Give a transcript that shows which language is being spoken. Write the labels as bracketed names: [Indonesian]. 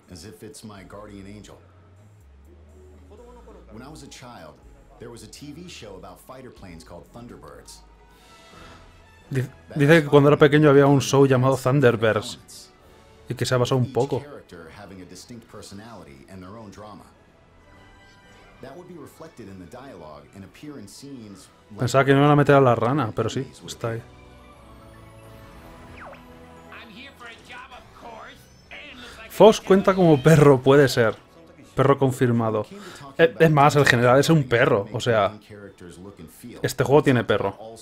[English] As if it's my guardian angel. When I was a child, there was a TV show about fighter planes called Thunderbirds. [Spanish] Dice que cuando era pequeño había un show llamado Thunderbirds y que se ha basado un poco. [English] Having a distinct personality and their own drama. That would be reflected in the dialogue and appear in scenes. [Spanish] Pensaba que no iban a meter a la rana, pero sí, está ahí. Fox cuenta como perro, puede ser. Perro confirmado. Es más, el general es un perro, o sea, este juego tiene perro.